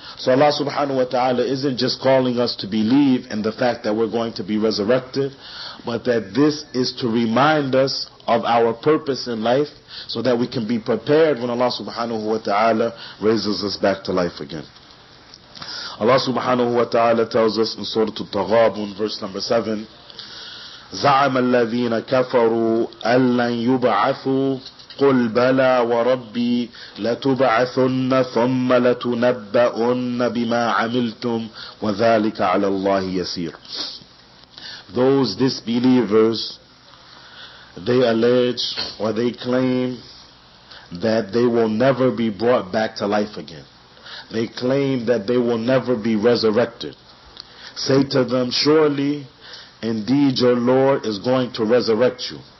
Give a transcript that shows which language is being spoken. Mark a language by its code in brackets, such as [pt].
[en] So Allah subhanahu wa ta'ala isn't just calling us to believe in the fact that we're going to be resurrected, but that this is to remind us of our purpose in life, so that we can be prepared when Allah subhanahu wa ta'ala raises us back to life again. Allah subhanahu wa ta'ala tells us in Surah Al-Taghabun, verse number 7, [ar] زَعَمَ الَّذِينَ كَفَرُوا أَلَّنْ يُبْعَثُوا قُلْ بَلَى وَرَبِّي لَتُبْعَثُنَّ ثُمَّ لَتُنَبَّأُنَّ بِمَا عَمِلْتُمْ وَذَلِكَ عَلَى اللَّهِ يَسِيرٌ. [en] Those disbelievers, they allege or they claim that they will never be brought back to life again. They claim that they will never be resurrected. Say to them, surely indeed your Lord is going to resurrect you.